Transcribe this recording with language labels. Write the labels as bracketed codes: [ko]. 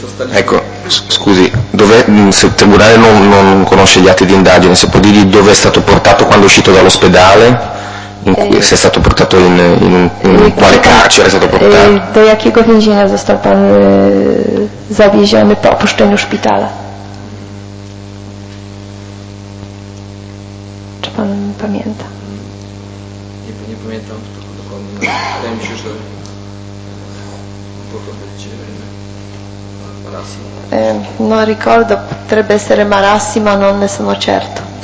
[it] Ecco, scusi, se il tribunale non conosce gli atti di indagine, se può dirgli dove è stato portato quando è uscito dall'ospedale, se è stato portato in quale carcere è stato portato? [pl] Do jakiego więzienia został pan zawieziony po opuszczeniu szpitala? Czy pan pamięta? Nie pamiętam tylko dokładnie. Wydaje mi się, że mogło to być Marassi. [it] No ricordo, potrebbe essere Marassi, ma non ne sono certo.